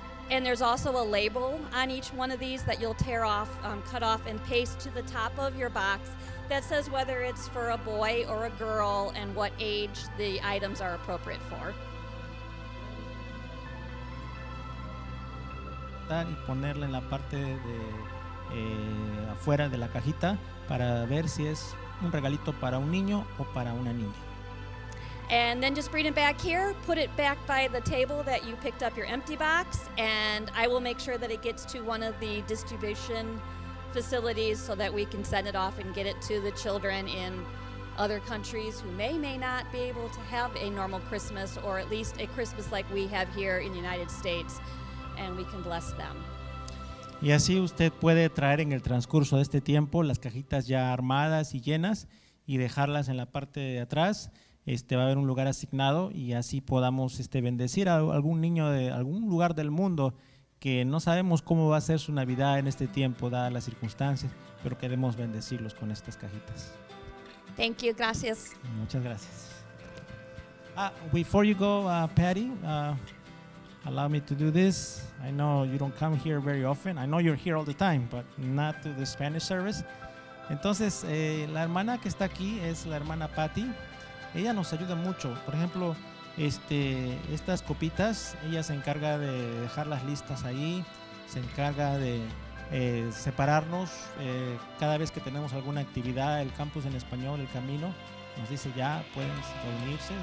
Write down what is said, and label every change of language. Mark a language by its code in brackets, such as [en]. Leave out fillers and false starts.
[en] And there's also a label on each one of these that you'll tear off, cut off, and paste to the top of your box that says whether it's for a boy or a girl and what age the items are appropriate for. [es] Y ponerla en la parte de afuera de la cajita para ver si es un regalito para un niño o para una niña. [en] And then just bring it back here, put it back by the table that you picked up your empty box, and I will make sure that it gets to one of the distribution facilities so that we can send it off and get it to the children in other countries who may not be able to have a normal Christmas, or at least a Christmas like we have here in the United States, and we can bless them. [es] Y así usted puede traer en el transcurso de este tiempo las cajitas ya armadas y llenas y dejarlas en la parte de atrás. Va a haber un lugar asignado y así podamos bendecir a algún niño de algún lugar del mundo que no sabemos cómo va a ser su Navidad en este tiempo, dadas las circunstancias, pero queremos bendecirlos con estas cajitas. [en] Thank you, [es] gracias. Muchas gracias. [en] Before you go, Patty, allow me to do this. I know you don't come here very often. I know you're here all the time, but not to the Spanish service. [es] Entonces, la hermana que está aquí es la hermana Patty. Ella nos ayuda mucho. Por ejemplo, estas copitas, ella se encarga de dejarlas listas ahí, se encarga de separarnos cada vez que tenemos alguna actividad, el campus en español, el camino, nos dice ya, pueden reunirse.